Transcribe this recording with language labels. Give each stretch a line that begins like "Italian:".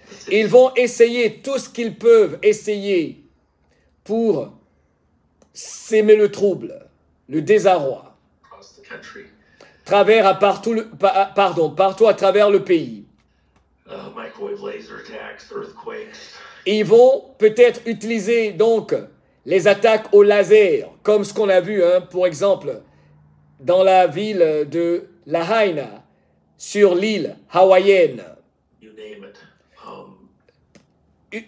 French: Ils vont essayer tout ce qu'ils peuvent essayer pour semer le trouble, le désarroi. Partout à travers le pays.
English: Microwave laser attacks, earthquakes.
French: Ils vont peut-être utiliser donc les attaques au laser, comme ce qu'on a vu, hein, pour exemple, dans la ville de Lahaina, sur l'île hawaïenne.
English: You name it.